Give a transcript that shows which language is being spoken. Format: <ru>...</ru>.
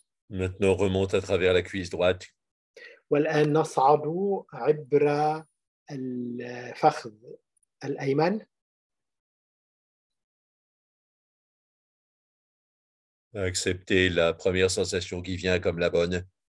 <fr>Maintenant, remonte à travers la cuisse droite.</fr> <ar>والآن نصعد عبر الفخذ الأيمن.</ar> <fr>Acceptez la première sensation qui vient comme la bonne.</fr>